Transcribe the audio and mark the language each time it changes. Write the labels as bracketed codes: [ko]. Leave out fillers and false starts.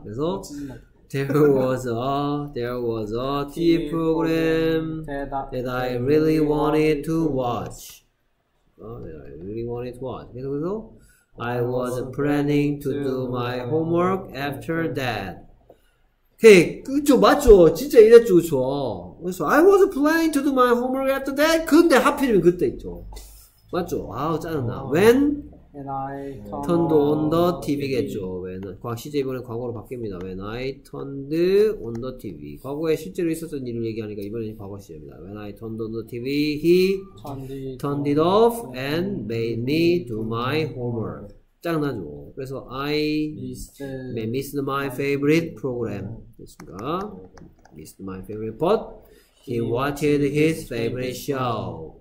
[ko] 그래서 [en] there was a TV program that I really wanted to watch. So I was planning to do my homework after that. [ko] 헤이, 그쵸, 맞죠? 진짜 이랬죠, 그쵸? 그래서 [en] I was planning to do my homework after that. [ko] 근데 하필이면 그때 있죠. 맞죠? 아우, 짜증나. [en] When? And I turned on the TV겠죠. When, [ko] 시제 이번에 과거로 바뀝니다. [en] When I turned on the TV. [ko] 과거에 실제로 있었던 일을 얘기하니까 이번에는 과거 시제입니다. [en] When I turned on the TV, he turned it off and made me do my homework. [ko] 짜증나죠. 그래서 [en] I missed my favorite program. [ko] 됐습니까? [en] Missed my favorite, but he watched his favorite show.